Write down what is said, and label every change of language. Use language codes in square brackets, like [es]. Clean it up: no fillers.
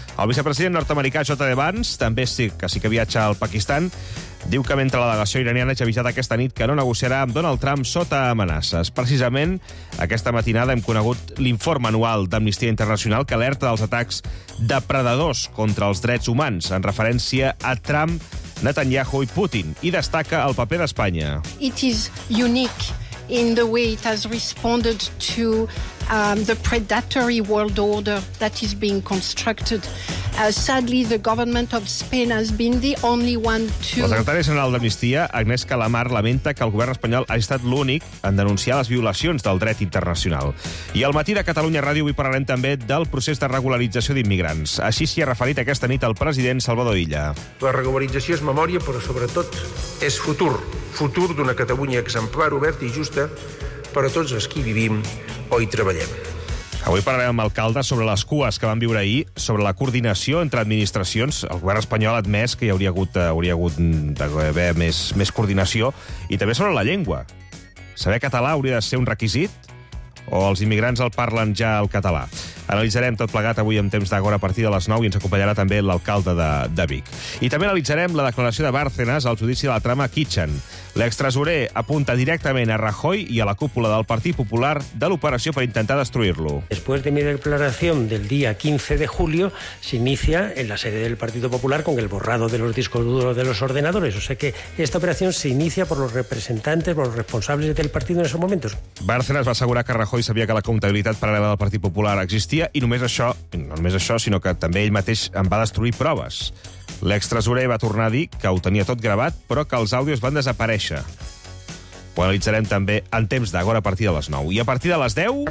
[ca] El vicepresident nord-americà J.D. Vance, també sí que sí que viatja al Pakistan, diu que mentre la delegació iraniana ha avisat aquesta nit que no negociarà amb Donald Trump sota amenaces. Precisament aquesta matinada hem conegut l'informe anual d'Amnistia Internacional que alerta dels atacs depredadors contra els drets humans en referència a Trump, Netanyahu i Putin, i destaca el paper d'Espanya. [en] It is unique in the way it has responded to the predatory world order that is being constructed. Sadly, the government of Spain has been the only one to... [ca] La secretària general d'Amnistia, Agnès Calamar, lamenta que el govern espanyol ha estat l'únic en denunciar les violacions del dret internacional. I al matí de Catalunya Ràdio avui parlarem també del procés de regularització d'immigrants. Així s'hi ha referit aquesta nit el president Salvador Illa. La regularització és memòria, però sobretot és futur. Futur d'una Catalunya exemplar, oberta i justa per a tots els que hi vivim o hi treballem. Avui parlarem amb l'alcalde sobre les cues que van viure ahir, sobre la coordinació entre administracions. El govern espanyol ha admès que hi hauria hagut d'haver més coordinació. I també sobre la llengua. Saber català hauria de ser un requisit? O els immigrants el parlen ja el català? Analitzarem tot plegat avui en temps d'agora a partir de les 9 i ens acompanyarà també l'alcalde de Vic. I també analitzarem la declaració de Bárcenas al judici de la trama Kitchen. L'extresorer apunta directament a Rajoy i a la cúpula del Partit Popular de l'operació per intentar destruir-lo. [es] Después de mi declaración del día 15 de julio, se inicia en la sede del Partido Popular con el borrado de los discos duros de los ordenadores. O sea que esta operación se inicia por los representantes, por los responsables del partido en esos momentos. [ca] Bárcenas va assegurar que Rajoy sabia que la comptabilitat paral·lela del Partit Popular existia i no només això, sinó que també ell mateix en va destruir proves. L'extresorer va tornar a dir que ho tenia tot gravat, però que els àudios van desaparèixer. Ho analitzarem també en temps d'agora a partir de les 9. I a partir de les 10...